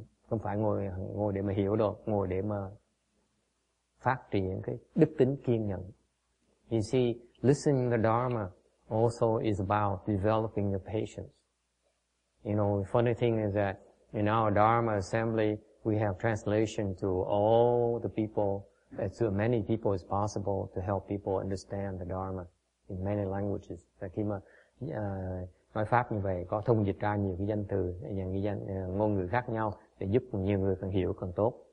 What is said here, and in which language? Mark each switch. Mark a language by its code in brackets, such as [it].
[vi] Không phải ngồi để mà hiểu đâu, ngồi để mà phát triển cái đức tính kiên nhẫn. [en] You see, listening to the Dharma also is about developing the patience. You know, the funny thing is that in our Dharma assembly, we have translation to all the people, to as many people as possible to help people understand the Dharma in many languages. [vi] Và khi mà nói Pháp như vậy, có thông dịch ra nhiều cái danh từ, ngôn ngữ khác nhau để giúp nhiều người càng hiểu càng tốt.